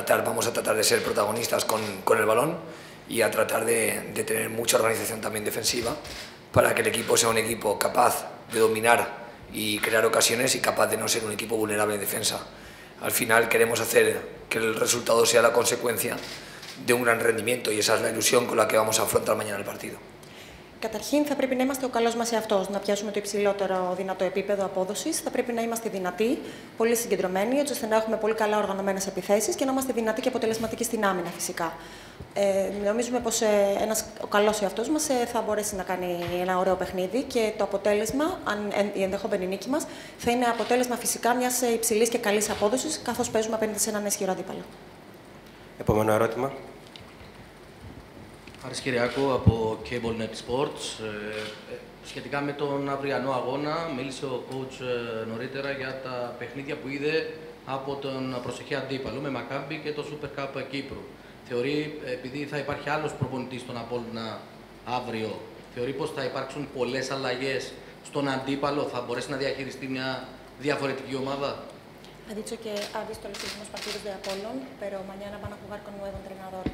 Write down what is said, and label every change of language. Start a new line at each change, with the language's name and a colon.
Spanish: Vamos a tratar de ser protagonistas con el balón y a tratar de tener mucha organización también defensiva para que el equipo sea un equipo capaz de dominar y crear ocasiones y capaz de no ser un equipo vulnerable en defensa. Al final queremos hacer que el resultado sea la consecuencia de un gran rendimiento y esa es la ilusión con la que vamos a afrontar mañana el partido.
Greek: Καταρχήν θα πρέπει να είμαστε ο καλός μας εαυτός, να πιάσουμε το υψηλότερο δυνατό επίπεδο απόδοσης. Θα πρέπει να είμαστε δυνατοί, πολύ συγκεντρωμένοι, έτσι ώστε να έχουμε πολύ καλά οργανωμένες επιθέσεις και να είμαστε δυνατοί και αποτελεσματικοί στην άμυνα φυσικά. Νομίζουμε πως ο καλός εαυτός μας θα μπορέσει να κάνει ένα ωραίο παιχνίδι και το αποτέλεσμα, η ενδεχόμενη νίκη μας, θα είναι αποτέλεσμα φυσικά μιας υψηλής και καλής απόδοσης, καθώς παίζουμε απέναντι σε έναν ισχυρό αντίπαλο. Επόμενο ερώτημα. Χάρης Κυριάκου από CableNet Sports. Σχετικά με τον αυριανό αγώνα, μίλησε ο coach νωρίτερα για τα παιχνίδια που είδε από τον προσεχή αντίπαλο με Μακάμπι και το Super Cup Κύπρου. Θεωρεί, επειδή θα υπάρχει άλλος προπονητής στον Απόλλωνα αύριο, θεωρεί πως θα υπάρξουν πολλές αλλαγές στον αντίπαλο, θα μπορέσει να διαχειριστεί μια διαφορετική ομάδα.
Spanish: Ha dicho que ha visto los últimos partidos de Apollon, pero mañana van a jugar con nuevo entrenador.